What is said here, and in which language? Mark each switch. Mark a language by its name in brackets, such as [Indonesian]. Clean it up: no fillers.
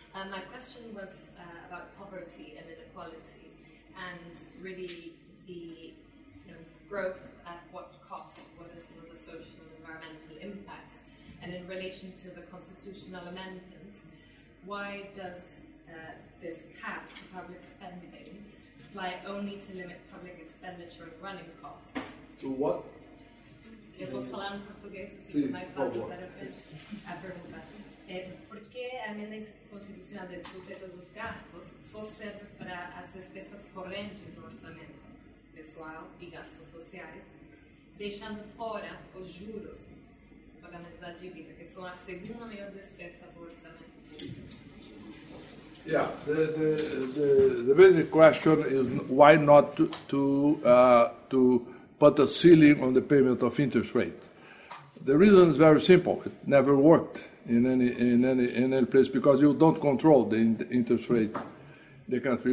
[English] My question was about poverty and inequality and really the growth at what cost, what are some of the social and environmental impacts, and in relation to the constitutional amendment, why does this cap to public spending apply only to limit public expenditure and running costs? To what? [Portuguese] Eu posso falar no português, porque é mais fácil para a pergunta. Por que a emenda constitucional do teto dos gastos só serve para as despesas correntes no orçamento pessoal e gastos sociais, deixando fora os juros do pagamento da dívida, que são a segunda maior despesa do orçamento? [English] Yeah, the basic question is why not to put a ceiling on the payment of interest rate. The reason is very simple. It never worked in any place because you don't control the interest rate in the country.